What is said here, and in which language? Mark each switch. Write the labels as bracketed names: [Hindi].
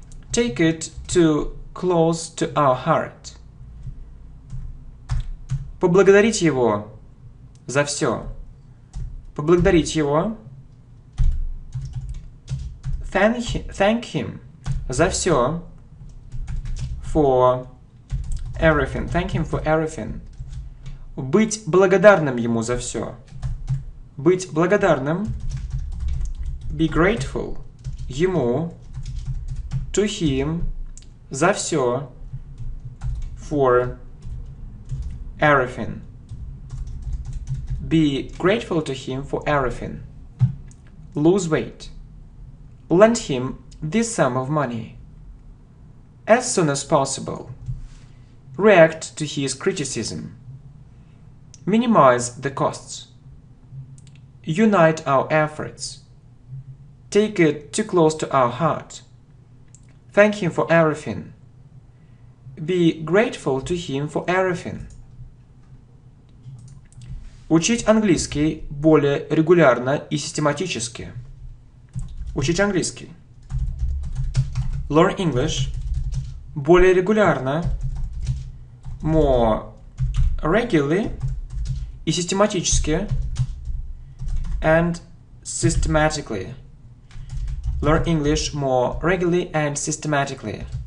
[English] Take it too close to our heart. [Russian] Поблагодарить его за все. Поблагодарить его. [English] Thank him [Russian] за все. [English] For everything. Thank him for everything. [Russian] Быть благодарным ему за все. Быть благодарным. [English] Be grateful [Russian] ему. [English] To him [Russian] за все. [English] For everything. Be grateful to him for everything. Lose weight. Lend him this sum of money. As soon as possible. React to his criticism. Minimize the costs. Unite our efforts. Take it too close to our heart. Thank him for everything. Be grateful to him for everything. [Russian] Учить английский более регулярно и систематически. Учить английский. [English] Learn English [Russian] более регулярно, [English] more regularly [Russian] и систематически, [English] and systematically. Learn English more regularly and systematically.